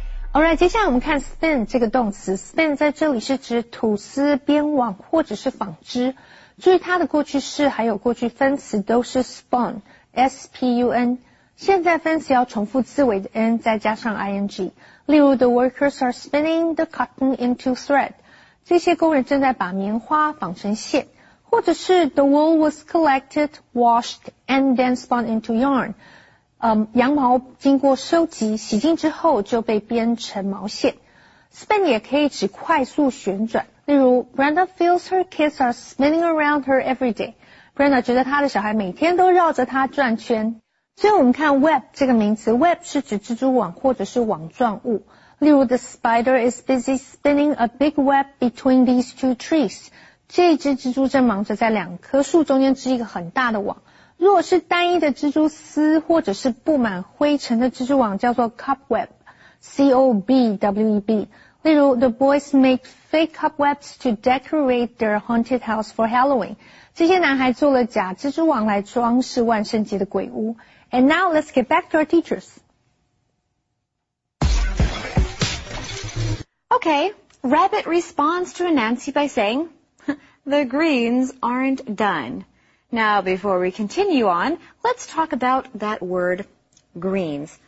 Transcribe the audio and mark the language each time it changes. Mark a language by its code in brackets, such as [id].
[en] All right, [zh] 接下来我们看 spin 这个动词。spin 在这里是指吐丝、编网或者是纺织。注意它的过去式还有过去分词都是 spun, S-P-U-N。现在分词要重复字尾的 n 再加上 ing。例如 [en] the workers are spinning the cotton into thread. [zh] 这些工人正在把棉花纺成线。或者是 [en] the wool was collected, washed, and then spun into yarn. [zh] 羊毛经过收集、洗净之后就被编成毛线。 [en] spin [zh] 也可以指快速旋转。例如 [en] Brenda feels her kids are spinning around her every day. [zh] Brenda 觉得她的小孩每天都绕着她转圈。所以我们看 web 这个名词 ,web 是指蜘蛛网或者是网状物。例如 [en] the spider is busy spinning a big web between these two trees. [zh] 这只蜘蛛正忙着在两棵树中间织一个很大的网。如果是单一的蜘蛛丝或者是布满灰尘的蜘蛛网叫做 cobweb,c-o-b-w-e-b。例如, [en] the boys make fake cobwebs to decorate their haunted house for Halloween. [zh] 这些男孩做了假蜘蛛网来装饰万圣节的鬼屋. [en] And now let's get back to our teachers. Okay, Rabbit responds to Anansi by saying, the greens aren't done. Now, before we continue on, let's talk about that word greens.